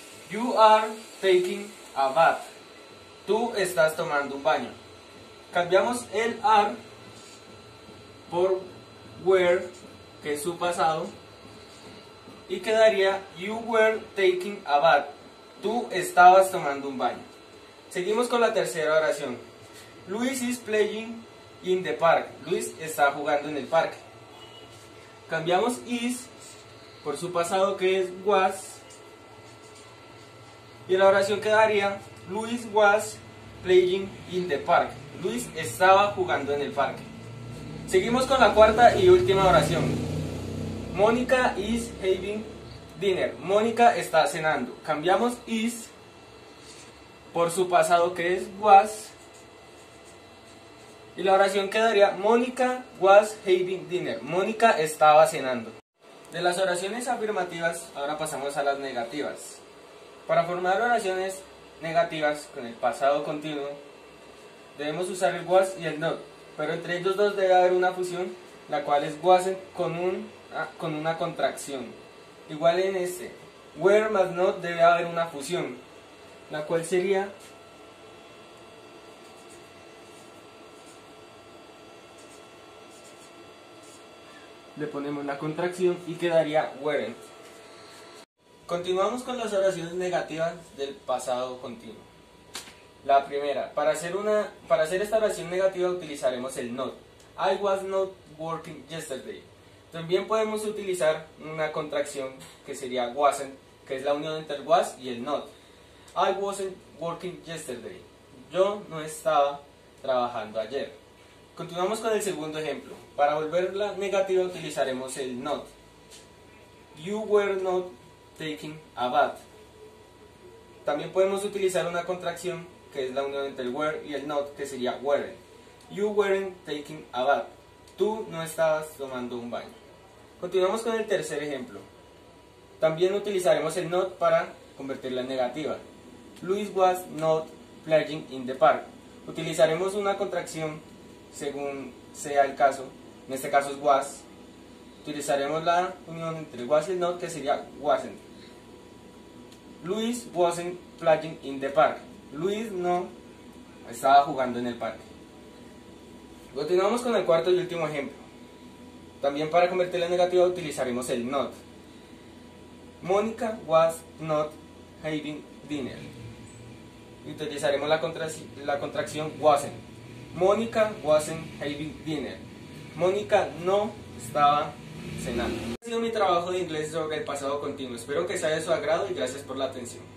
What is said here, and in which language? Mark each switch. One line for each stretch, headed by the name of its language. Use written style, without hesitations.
English: You are taking a bath.
Spanish: Tú estás tomando un baño. Cambiamos el are por were, que es su pasado, y quedaría
English: you were taking a bath.
Spanish: Tú estabas tomando un baño. Seguimos con la tercera oración.
English: Luis is playing in the park.
Spanish: Luis está jugando en el parque. Cambiamos is por su pasado, que es was, y la oración quedaría
English: Luis was playing in the park.
Spanish: Luis estaba jugando en el parque. Seguimos con la cuarta y última oración.
English: Mónica is having dinner.
Spanish: Mónica está cenando. Cambiamos is por su pasado, que es was, y la oración quedaría
English: Mónica was having dinner.
Spanish: Mónica estaba cenando. De las oraciones afirmativas, ahora pasamos a las negativas. Para formar oraciones negativas con el pasado continuo debemos usar el was y el not, pero entre ellos dos debe haber una fusión, la cual es was con una contracción. Igual en este where más not debe haber una fusión, la cual sería le ponemos la contracción y quedaría weren't. Continuamos con las oraciones negativas del pasado continuo. La primera, para hacer esta oración negativa utilizaremos el not.
English: I was not working yesterday.
Spanish: También podemos utilizar una contracción que sería wasn't, que es la unión entre el was y el not.
English: I wasn't working yesterday.
Spanish: Yo no estaba trabajando ayer. Continuamos con el segundo ejemplo. Para volverla negativa utilizaremos el not.
English: You were not taking a bath.
Spanish: También podemos utilizar una contracción que es la unión entre el were y el not, que sería weren't.
English: You weren't taking a bath.
Spanish: Tú no estabas tomando un baño. Continuamos con el tercer ejemplo. También utilizaremos el not para convertirla en negativa.
English: Luis was not playing in the park.
Spanish: Utilizaremos una contracción según sea el caso. En este caso es was. Utilizaremos la unión entre el was y el not, que sería wasn't.
English: Luis wasn't playing in the park.
Spanish: Luis no estaba jugando en el parque. Continuamos con el cuarto y último ejemplo. También para convertirla en negativa utilizaremos el not.
English: Mónica was not having dinner.
Spanish: Utilizaremos la contracción wasn't.
English: Mónica wasn't having dinner.
Spanish: Mónica no estaba cenando. Ha sido mi trabajo de inglés sobre el pasado continuo. Espero que sea de su agrado y gracias por la atención.